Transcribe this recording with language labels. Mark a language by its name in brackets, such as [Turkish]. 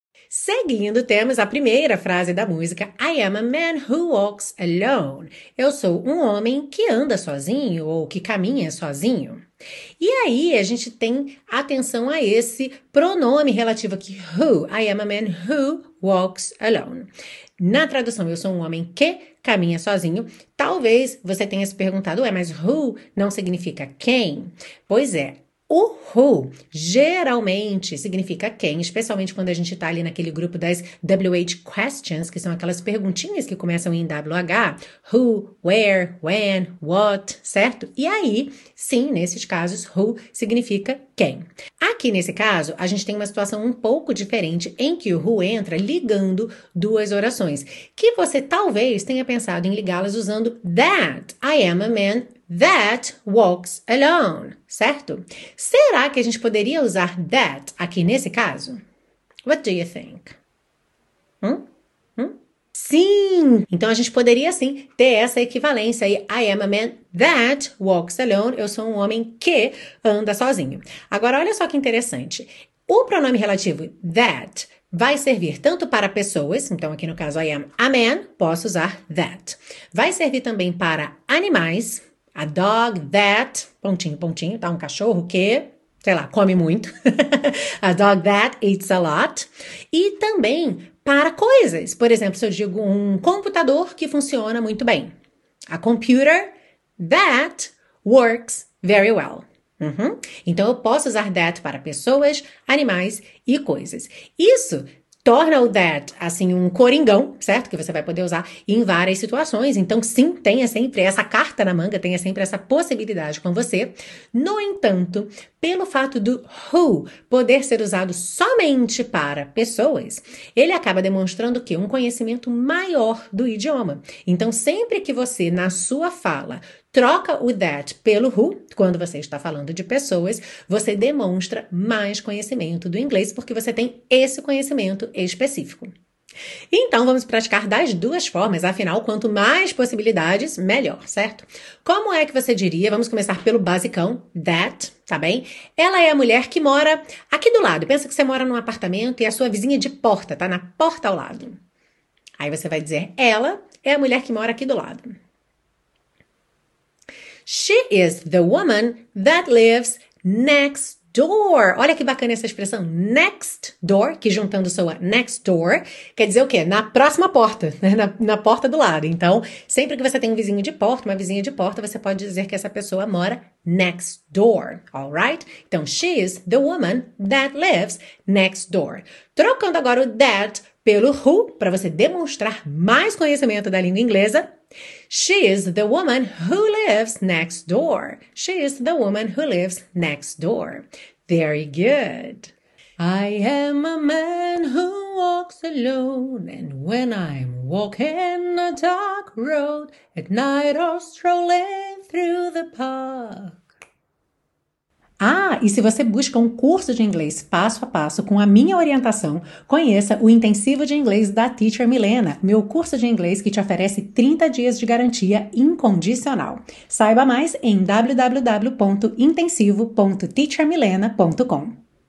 [Portuguese] Seguindo, temos a primeira frase da música, I am a man who walks alone. Eu sou um homem que anda sozinho ou que caminha sozinho. E aí, a gente tem atenção a esse pronome relativo aqui, who. [English] I am a man who walks alone. [Portuguese] Na tradução, eu sou um homem que caminha sozinho. Talvez você tenha se perguntado, ué, mas who não significa quem? Pois é. O who geralmente significa quem, especialmente quando a gente está ali naquele grupo das WH questions, que são aquelas perguntinhas que começam em WH, who, where, when, what, certo? E aí, sim, nesses casos, who significa quem. Aqui nesse caso, a gente tem uma situação um pouco diferente em que o who entra ligando duas orações, que você talvez tenha pensado em ligá-las usando that, I am a man that walks alone, certo? Será que a gente poderia usar that aqui nesse caso? What do you think? Sim! Então, a gente poderia, sim, ter essa equivalência aí. [English] I am a man that walks alone. [Portuguese] Eu sou um homem que anda sozinho. Agora, olha só que interessante. O pronome relativo that vai servir tanto para pessoas, então aqui no caso I am a man, posso usar that. Vai servir também para animais, a dog, that, pontinho, pontinho, tá? Um cachorro que, sei lá, come muito. A dog that eats a lot. E também para coisas. Por exemplo, se eu digo um computador que funciona muito bem. [English] A computer that works very well. Uhum. [Portuguese] Então, eu posso usar that para pessoas, animais e coisas. Isso torna o that, assim, um coringão, certo? Que você vai poder usar em várias situações. Então, sim, tenha sempre essa carta na manga, tenha sempre essa possibilidade com você. No entanto, pelo fato do who poder ser usado somente para pessoas, ele acaba demonstrando que um conhecimento maior do idioma. Então, sempre que você, na sua fala, troca o that pelo who, quando você está falando de pessoas, você demonstra mais conhecimento do inglês, porque você tem esse conhecimento específico. Então, vamos praticar das duas formas, afinal, quanto mais possibilidades, melhor, certo? Como é que você diria, vamos começar pelo basicão, that, tá bem? Ela é a mulher que mora aqui do lado, pensa que você mora num apartamento e a sua vizinha de porta, tá na porta ao lado. Aí você vai dizer, ela é a mulher que mora aqui do lado. [English] She is the woman that lives next door. [Portuguese] Olha que bacana essa expressão, next door, que juntando soa next door, quer dizer o quê? Na próxima porta, né? Na porta do lado. Então, sempre que você tem um vizinho de porta, uma vizinha de porta, você pode dizer que essa pessoa mora next door, all right? [English] Então, she is the woman that lives next door. [Portuguese] Trocando agora o that pelo who, para você demonstrar mais conhecimento da língua inglesa, she is the woman who lives next door. [English] She is the woman who lives next door. Very good. I am a man who walks alone, and when I'm walking a dark road, at night or strolling through the park. [Portuguese] Ah, e se você busca um curso de inglês passo a passo com a minha orientação, conheça o Intensivo de Inglês da Teacher Milena, meu curso de inglês que te oferece 30 dias de garantia incondicional. Saiba mais em www.intensivo.teachermilena.com.